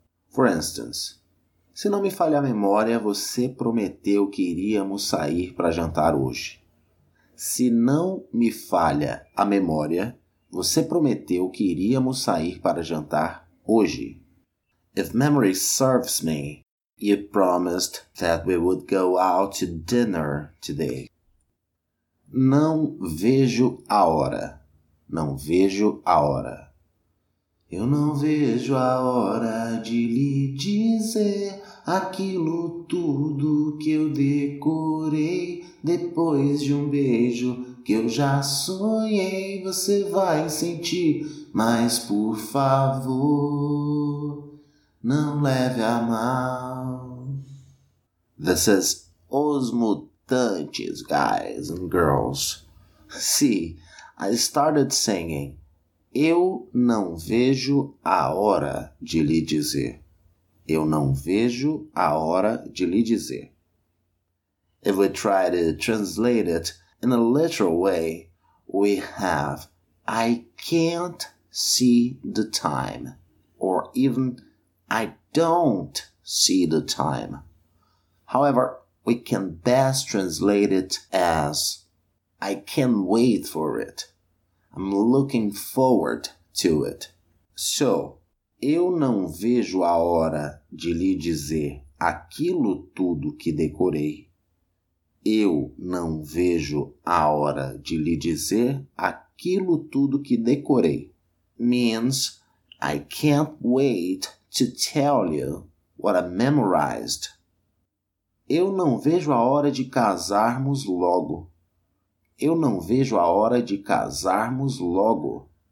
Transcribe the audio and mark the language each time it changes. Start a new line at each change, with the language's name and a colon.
English: For instance,
Portuguese: se não me falha a memória, você prometeu que iríamos sair para jantar hoje. Se não me falha a memória, você prometeu que iríamos sair para jantar hoje.
English: If memory serves me, you promised that we would go out to dinner today.
Portuguese: Não vejo a hora. não vejo a hora. Eu não vejo a hora de lhe dizer aquilo tudo que eu decorei depois de um beijo que eu já sonhei. Você vai sentir, mas por favor, não leve a mal.
English: This is Os Mutantes, guys and girls. See, I started singing.
Portuguese: Eu não vejo a hora de lhe dizer. Eu não vejo a hora de lhe dizer.
English: If we try to translate it in a literal way, we have I can't see the time, or even I don't see the time. However, we can best translate it as I can't wait for it. I'm looking forward to it.
Portuguese: So, eu não vejo a hora de lhe dizer aquilo tudo que decorei. Eu não vejo a hora de lhe dizer aquilo tudo que decorei.
English: Means, I can't wait to tell you what I memorized.
Portuguese: Eu não vejo a hora de casarmos logo. Eu não vejo a hora de casarmos logo.